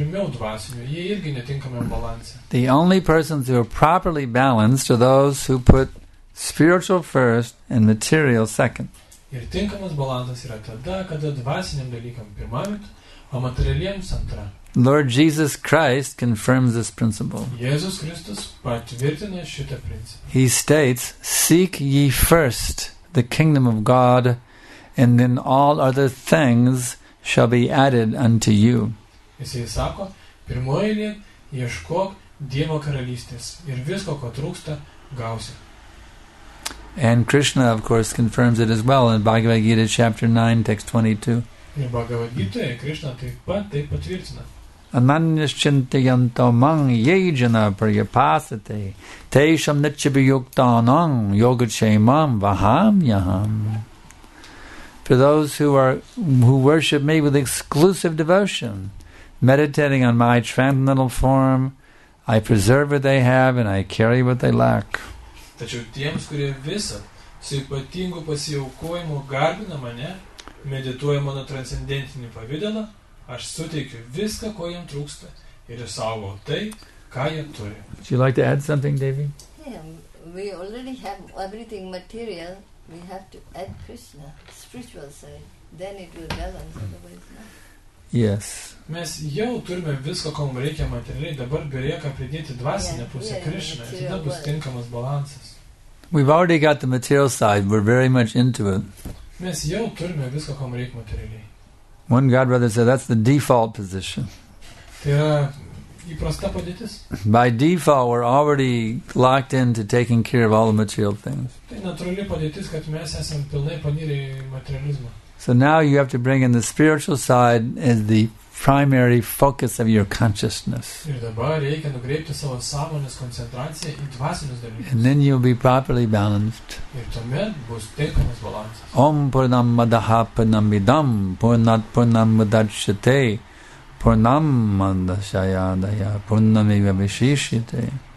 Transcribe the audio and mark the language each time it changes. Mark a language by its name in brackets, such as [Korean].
[English] The only persons who are properly balanced are those who put spiritual first and material second. [Lithuanian] Ir tinkamas balansas yra tada, kada dvasiniam dalykam pirmą vietą, o materialiems antrą. [English] Lord Jesus Christ confirms this principle. [Lithuanian] Jėzus Kristus patvirtina šitą principą. [English] He states, "Seek ye first the kingdom of God, and then all other things shall be added unto you." [Lithuanian] Jisai sako, pirmoji eilė, ieškok Dievo karalystės ir visko, ko trūksta, gausi. [English] And Krishna, of course, confirms it as well in Bhagavad Gita, chapter 9, text 22. [Lithuanian] Ir Bhagavad Gita, Krishna taip pat taip patvirtina. [Sanskrit] Ananyas chintayanto mang yejana priyapasate tesham nichibhyuktanam yogachemam vaham yaham. [English] For those who worship me with exclusive devotion, meditating on my transcendental form, I preserve what they have and I carry what they lack. [Lithuanian] Tačiau tiems, kurie visą su ypatingu pasiaukojimu garbina mane, medituoja mano transcendentinį pavidalą, aš suteikiu viską, ko jam trūksta, ir saugau tai, ką jie turi. [English] Would you like to add something, Devi? Yeah, we already have everything material. We have to add Krishna, spiritual side. Then it will balance, otherwise not. Yes. [Lithuanian] Mes jau turime viską, ko mums reikia materialiai. Dabar belieka pridėti dvasinę pusę Krishna, ir tada bus tinkamas balansas. [English] We've already got the material side. We're very much into it. [Lithuanian] Mes jau turime viską, ko mums reikia materialiai. [English] One God brother said, that's the default position. [Lithuanian] Tai yra įprasta padėtis. [English] By default, we're already locked into taking care of all the material things. [Lithuanian] Tai natūrali padėtis, kad mes esam pilnai panirę į materializmą. [English] So now you have to bring in the spiritual side as the primary focus of your consciousness. [Lithuanian] Ir dabar reikia nukreipti savo sąmonės koncentraciją į dvasinius dalykus. [English] And then you'll be properly balanced. [Lithuanian] Ir tuomet bus tinkamas balansas. [Sanskrit] Om purnam madaha purnam idam purnat purnam madachate purnam madashayadaya purnami vavishishite.